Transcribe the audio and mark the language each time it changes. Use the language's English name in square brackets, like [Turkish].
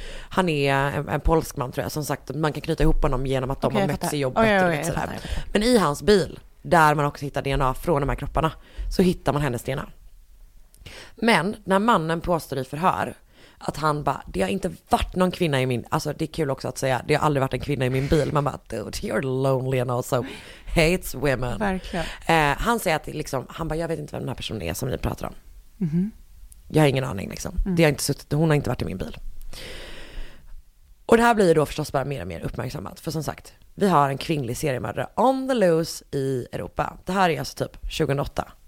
[Swedish] Han är en polsk man tror jag. Som sagt, man kan knyta ihop honom genom att de har mötts i jobbet. Och men i hans bil där man också hittar DNA från de här kropparna, så hittar man hennes DNA. Men när mannen påstår i förhör att han bara, det har inte varit någon kvinna i min, alltså det är kul också att säga, det har aldrig varit en kvinna i min bil. Man bara, [English] dude, you're lonely and also hates women. [Swedish] Han säger att liksom, han bara, jag vet inte vem den här personen är som ni pratar om. Jag har ingen aning liksom. Det har inte suttit, hon har inte varit i min bil. Och det här blir då förstås bara mer och mer uppmärksammat. För som sagt, vi har en kvinnlig seriemördare [English] on the loose [Swedish] i Europa. Det här är alltså typ 2008.